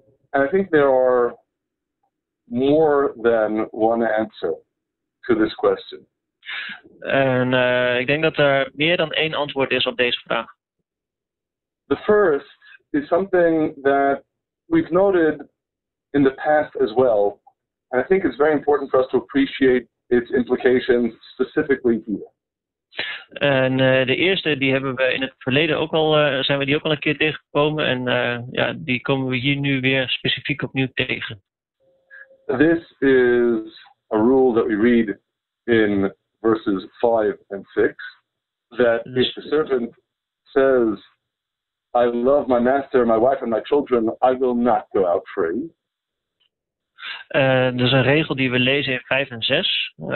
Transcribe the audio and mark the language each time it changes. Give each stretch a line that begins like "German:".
English: And I think there are more than one answer to this question.
Dutch: En ik denk dat er meer dan één antwoord is op deze vraag.
English: The first is something that we've noted in the past as well, and I think it's very important for us to appreciate its implications specifically here.
Dutch: En de eerste die hebben we in het verleden ook al zijn we die ook al een keer tegengekomen en die komen we hier nu weer specifiek opnieuw tegen.
English: This is a rule that we read in verses 5 and 6, that if the servant says, I love my master, my wife and my children, I will not go out free.
Dutch: Dat is een regel die we lezen in 5 en 6.